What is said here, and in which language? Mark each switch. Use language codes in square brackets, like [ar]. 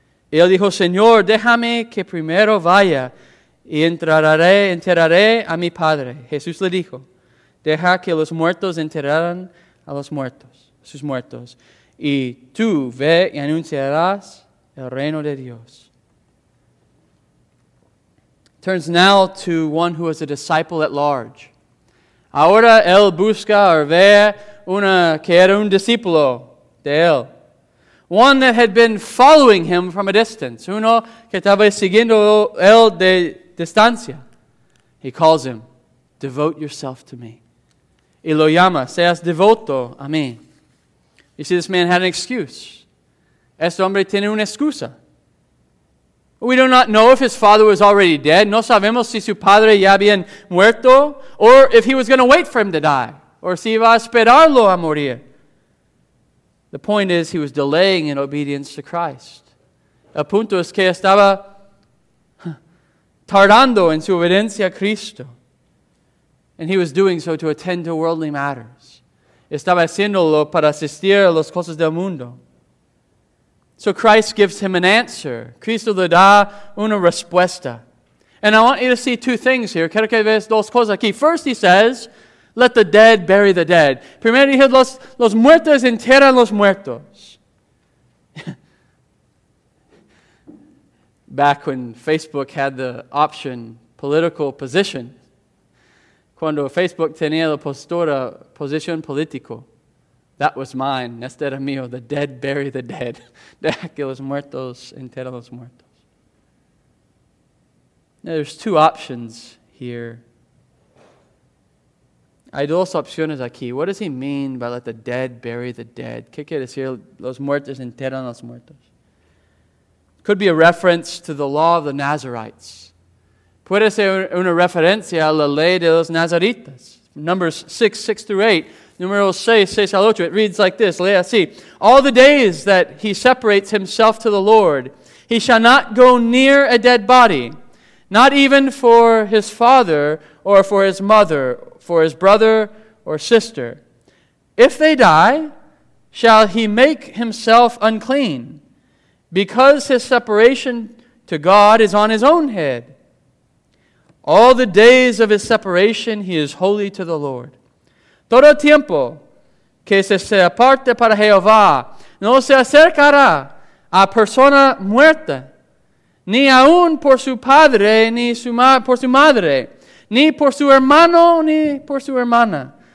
[es] Y él dijo, Señor, déjame que primero vaya y enterraré a mi padre. Jesús le dijo, deja que los muertos enterraran a los muertos, sus muertos. Y tú ve y anunciarás el reino de Dios. [en] Turns now to one who was a disciple at large. [es] Ahora él busca o ve una que era un discípulo de él. [en] One that had been following him from a distance. [es] Uno que estaba siguiendo él de distancia. [en] He calls him, devote yourself to me. [es] Y lo llama, seas devoto a mí. [en] You see, this man had an excuse. [es] Este hombre tiene una excusa. [en] We do not know if his father was already dead. [es] No sabemos si su padre ya había muerto, [en] or if he was going to wait for him to die, or [es] si iba a esperarlo a morir. [en] The point is, he was delaying in obedience to Christ. [es] El punto es que estaba tardando en su obediencia a Cristo. [en] And he was doing so to attend to worldly matters. [es] Estaba haciéndolo para asistir a las cosas del mundo. [en] So Christ gives him an answer. [es] Cristo le da una respuesta. [en] And I want you to see two things here. [es] Quiero que veas dos cosas aquí. [en] First, he says, let the dead bury the dead. [es] Primero, dice, los muertos entierran los muertos. [en] Back when Facebook had the option, political position. [es] Cuando Facebook tenía la postura, posición político. [en] That was mine, [es] este era mío, [en] the dead bury the dead. [es] Deja que los muertos enterren los muertos. [en] Now, there's two options here. [es] Hay dos opciones aquí. [en] What does he mean by let the dead bury the dead? [es] ¿Qué quiere decir los muertos enterren los muertos? [en] Could be a reference to the law of the Nazarites. [es] Puede ser una referencia a la ley de los Nazaritas. [en] Numbers 6:6-8. Numeral 6:6-8, it reads like this. [es] Lea así. [en] All the days that he separates himself to the Lord, he shall not go near a dead body, not even for his father or for his mother, for his brother or sister. If they die, shall he make himself unclean, because his separation to God is on his own head. All the days of his separation, he is holy to the Lord. [es] Todo tiempo que se aparte para Jehová, no se acercará a persona muerta, ni aun por su padre, ni por su madre, ni por su hermano, ni por su hermana.